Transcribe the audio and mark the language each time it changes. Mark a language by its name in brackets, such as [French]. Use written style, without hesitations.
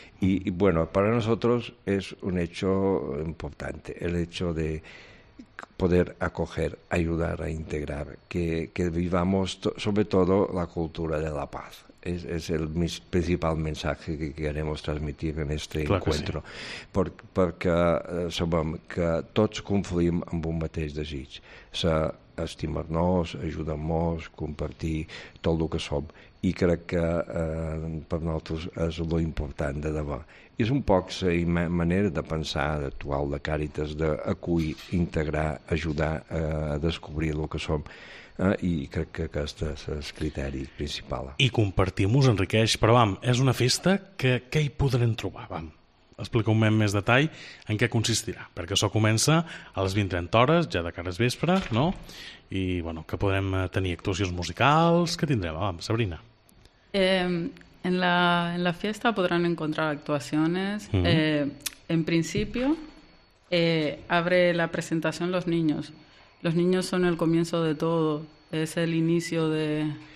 [Spanish] Y bueno, para nosotros es un hecho importante, el hecho de poder acoger, ayudar a integrar, que vivamos sobre todo la cultura de la paz. Es el principal mensaje que queremos transmitir en este claro encuentro. Sí. [Catalan] Porque sabem que tots confluïm amb un mateix desig, estimar-nos, ajudar-nos, compartir tot el que som. I crec que per nosaltres és el important de debò. És un poc la manera de pensar actual de Càritas, d'acollir, integrar, ajudar a descobrir el que som. I crec que aquest és el criteri principal. I compartim-ho, us enriqueix. Però vam, és una festa que què hi podrem trobar? Vam, explica-ho en més detall en què consistirà. Perquè això comença a les 20:30 hores, ja de cara al vespre, no? I bueno, que podrem tenir actuacions musicals. Què tindrem, vam, Sabrina? [Spanish] En la fiesta podrán encontrar actuaciones. En principio, abre la presentación los niños. Los niños son el comienzo de todo. Es el inicio de...